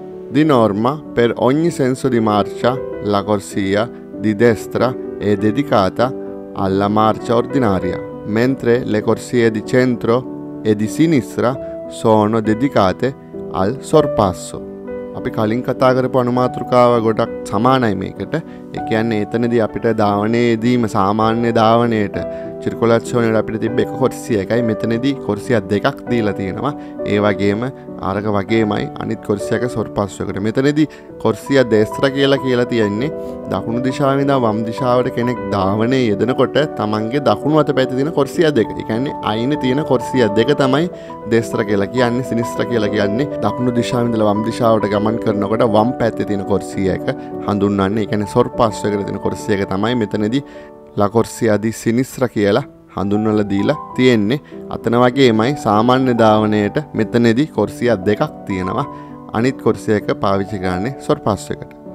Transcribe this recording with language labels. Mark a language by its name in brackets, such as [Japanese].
[Italian] di norma per ogni senso di marcia la corsia di destra è dedicata alla marcia ordinaria mentre le corsie di centro e di sinistra sono dedicate al sorpasso. [Sinhala] අපි කලින් කතා කරපු අනුමාත්‍රකාව ගොඩක් සමානයි මේකට. ඒ කියන්නේ එතනදී අපිට ධාවනයේදීම සාමාන්‍ය ධාවනයට circulation වල අපිට තිබ්බ එක කොටසිය එකයි මෙතනදී කොටසිය දෙකක් දීලා තියෙනවා. ඒ වගේම ආරක වගේමයි අනිත් කොටසියක සොර්පස්සයකට. මෙතනදී කොටසිය දෙස්තර කියලා තියෙන්නේ දකුණු දිශාව ඉඳන් වම් දිශාවට කෙනෙක් ධාවනයේ යෙදෙනකොට තමන්ගේ දකුණු අත පැත්තේ තියෙන කොටසිය දෙක. ඒ කියන්නේ අයිනේ තියෙන කොටසිය දෙක තමයි දෙස්තර කියලා කියන්නේ සිනිස්තර කියලා කියන්නේ දකුණු දිශාව ඉඳලා වම් දිශාවට ගමන් කරනකොට වම් පැත්තේ තියෙන කොටසිය එක හඳුන්වන්නේ. ඒ කියන්නේ සොර්පස්සයකට තියෙන කොටසිය එක තමයි මෙතනදී la corsia di sinistra කියලා හඳුන්වලා දීලා තියෙන්නේ අතන වගේමයි සාමාන්‍ය ධාවනයේට මෙතනදී කොර්සිය දෙකක් තියෙනවා අනිත් කොර්සියක පාවිච්චි කරන්නේ සොර්පස්සයකට